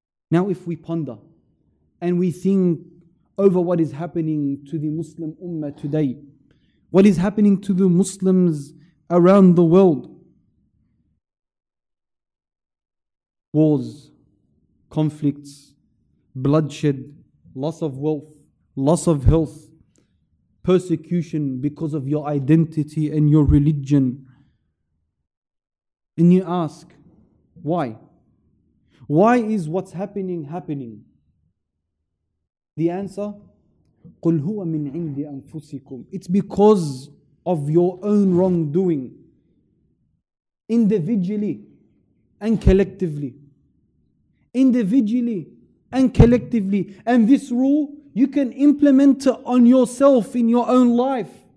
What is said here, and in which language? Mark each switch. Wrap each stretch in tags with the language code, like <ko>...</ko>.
<en>Now if we ponder and we think over what is happening to the Muslim Ummah today, what is happening to the Muslims around the world, wars, conflicts, bloodshed, loss of wealth, loss of health, persecution because of your identity and your religion, and you ask, why? Why is what's happening? The answer,</en> <ar>قُلْ هُوَ مِنْ عِنْدِ أَنفُسِكُمْ.</ar> <en>It's because of your own wrongdoing, individually and collectively. Individually and collectively. And this rule, you can implement it on yourself in your own life.</en>